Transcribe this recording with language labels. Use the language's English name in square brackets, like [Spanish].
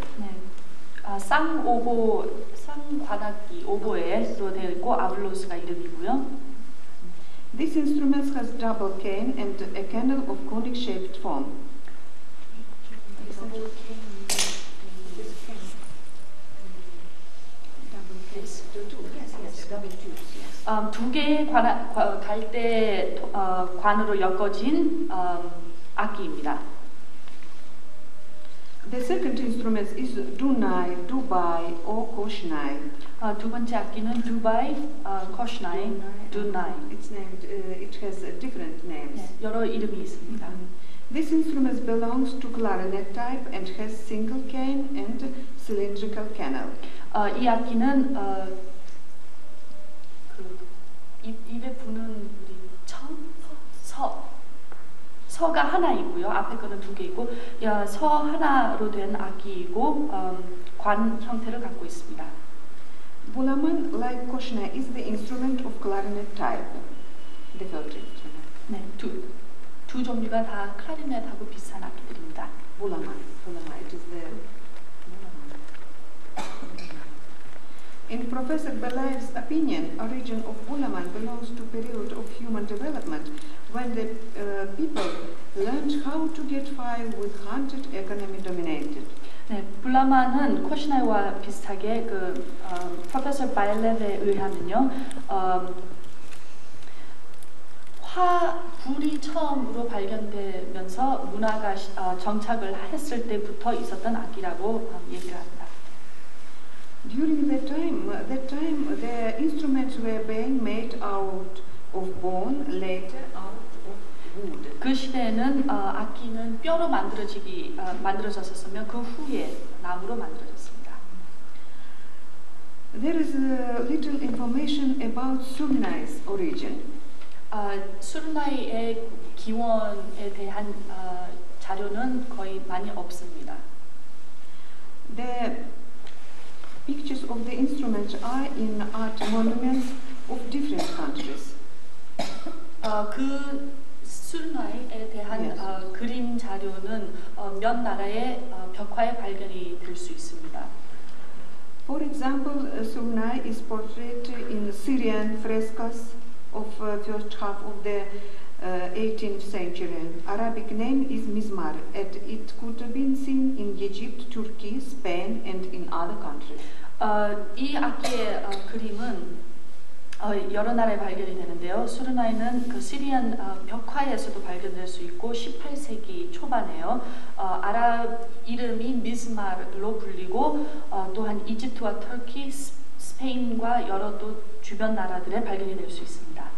[Korean] 네, 쌍오보 관악기 오보에로 되어 있고 아블로스가 이름이고요. [English] This instrument has double cane and a candle of conic shaped form. Double cane. [Korean] 두 개의 갈대 관으로 엮어진 악기입니다. [English] The second instrument is Dunai, Dubai or Koshnai. [Korean] 두 번째 악기는 Dubai, Koshnai, Dunai. [English] It's named, it has different names. [Korean] 네, 여러 이름이 있습니다. [English] This instrument belongs to clarinet type and has single cane and cylindrical canal. [Korean] 이 악기는 입에 부는 우리 청? 서? 서가 하나이고요. 앞에 거는 두 개이고 서 하나로 된 악기이고 관 형태를 갖고 있습니다. [English] Bulamın, like Koshna, is the instrument of clarinet type. The first instrument. [Korean] 네, 두. 두 종류가 다 클라리넷하고 비슷한 악기들입니다. [English] Bulamın. Bulamın. It is the... In Professor Belayev's opinion, origin of Bulamın belongs to period of human development when the people learned how to get fire with hunted economy dominated. [Korean] 네, 불라만은 코시나이와 비슷하게 그 프로페서 바일렙에 의하면요, 화불이 처음으로 발견되면서 문화가 정착을 했을 때부터 있었던 악기라고 얘기를 합니다. [English] During that time, the instruments were being made out of bone, later out of [Korean] 그 시대에는 악기는 뼈로 만들어졌었으며 그 후에 나무로 만들어졌습니다. [English] There is little information about Surnai's origin. [Korean] 수르나이의 기원에 대한 자료는 거의 많이 없습니다. [English] The pictures of the instruments are in art monuments of different countries. [Korean] 그 수르나이에 대한 yes. 그림 자료는 몇 나라의 벽화에 발견이 될 수 있습니다. [English] For example, Surnai is portrayed in Syrian frescoes of first half of the 18th century. Arabic name is Mizmar, and it could have been seen in Egypt, Turkey, Spain, and in other countries. [Korean] 이 악기의 그림은 여러 나라에 발견이 되는데요. 수르나이는 그 시리안 벽화에서도 발견될 수 있고 18세기 초반에요. 아랍 이름이 미즈마르로 불리고 또한 이집트와 터키, 스페인과 여러 또 주변 나라들에 발견이 될 수 있습니다.